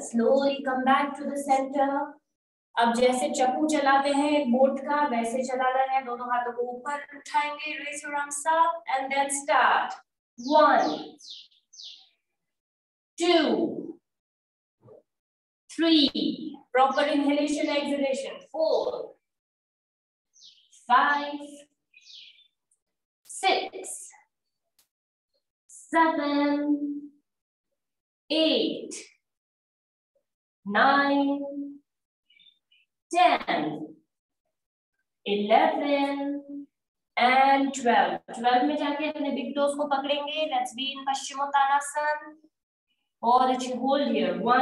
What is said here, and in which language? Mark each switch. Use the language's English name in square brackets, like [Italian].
[English] Slowly come back to the center. [Hindi] अब जैसे चप्पू चलाते हैं एक बोट का, वैसे चलाना है. दोनों हाथों को ऊपर उठाएंगे. [English] Raise your arms up and then start. 1, 2, 3, proper inhalation, exhalation. 4, 5, 6, 7, 8, 9, 10, 11, and 12. [Hindi] 12 में जाके अपने बिग टोस को पकड़ेंगे. [English] Let's be in Paschimottanasana. [Hindi] और अच्छे, [English] hold here.